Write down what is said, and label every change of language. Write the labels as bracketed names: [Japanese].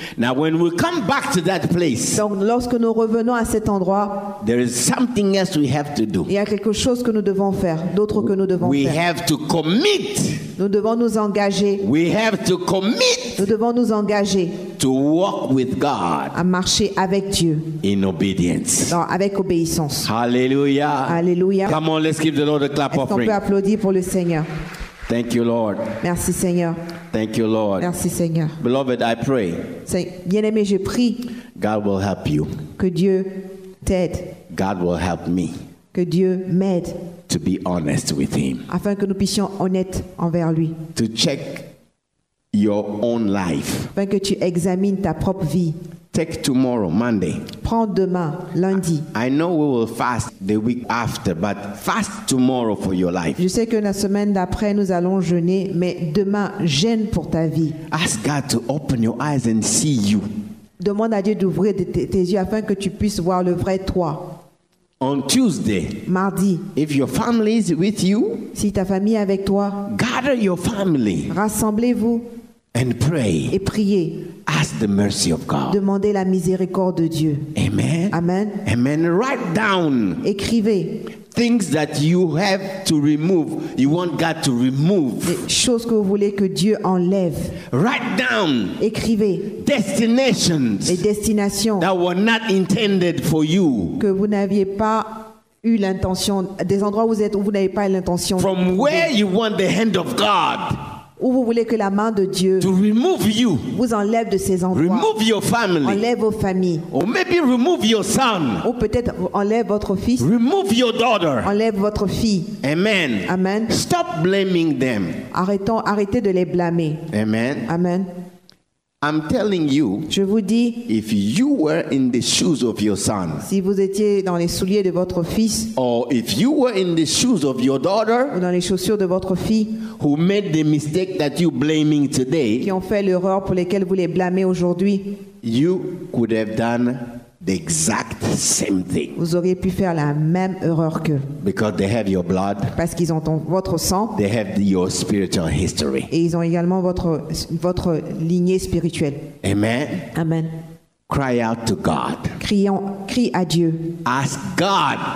[English] Now, when we come back to that place, [French] donc lorsque nous revenons à cet endroit, [English] there is something else we have to do. [French] Il y a quelque chose que nous devons faire, d'autre que nous devons [English] we [French] faire. [English] We have to commit. [French] Nous devons nous engager. [English] We have to commit. [French] Nous devons nous engager. [English] To walk with God. [French] À marcher avec Dieu. [English] In obedience. [French] Non, avec obéissance. [English] Hallelujah. [French] Hallelujah. [English] Come on, let's give the Lord a clap offering. [French] Est-ce qu'on peut applaudir pour le Seigneur? [English] Thank you, Lord. [French] Merci, Seigneur. [English] Thank you, Lord. [French] Merci, Seigneur. [English] Beloved, I pray. [French] Bien-aimé, je prie. [English] God will help you. [French] Que Dieu t'aide. [English] God will help me. [French] Que Dieu m'aide. [English] To be honest with Him. [French] Afin que nous puissions honnêtes envers lui. [English] To check your own life. [French] Afin que tu examines ta propre vie. [English] Take tomorrow, Monday. [French] Prends demain, lundi. [English] I know we will fast the week after, but fast tomorrow for your life. [French] Je sais que la semaine d'après nous allons jeûner, mais demain jeûne pour ta vie. [English] Ask God to open your eyes and see you. [French] Demande à Dieu d'ouvrir tes yeux afin que tu puisses voir le vrai toi. [English] On Tuesday, [French] mardi, [English] if your family is with you, [French] si ta famille est avec toi, [English] gather your family. [French] Rassemblez-vous. [English] And pray. [French] Et priez. [English] Ask the mercy of God. [French] Demandez la miséricorde de Dieu. [English] Amen. [French] Amen. [English] Amen. Write down. [French] Écrivez. [English] Things that you have to remove, you want God to remove. [French] Les choses que vous voulez que Dieu enlève. [English] Write down. [French] Écrivez. [English] Destinations. [French] Les destinations. [English] That were not intended for you. [French] Que vous n'aviez pas eu l'intention. Des endroits où vous êtes où vous n'avez pas eu l'intention. [English] From where you want the hand of God. [French] Où vous voulez que la main de Dieu [English] to remove you, [French] vous enlève de ses endroits. [English] Remove your family, [French] enlève vos familles. [English] Or maybe remove your son, [French] ou peut-être enlève votre fils. [English] Remove your daughter, [French] enlève votre fille. [English] Amen. [French] Amen. [English] Stop blaming them. [French] Arrêtez de les blâmer. [English] Amen. [French] Amen. [English] I'm telling you, [French] je vous dis, [English] if you were in the shoes of your son, [French] si vous étiez dans les souliers de votre fils, [English] or if you were in the shoes of your daughter, [French] ou dans les chaussures de votre fille, [English] who made the mistake that you're blaming today, [French] qui ont fait l'erreur pour laquelle vous les blâmez aujourd'hui, [English] you could have done the exact same thing. [French] Vous auriez pu faire la même erreur qu'eux. [English] Because they have your blood. [French] Parce qu'ils ont votre sang. [English] They have your spiritual history. [French] Et ils ont également votre lignée spirituelle. [English] Amen. [French] Amen. [English] Cry out to God. [French] Crie à Dieu. [English] Ask God.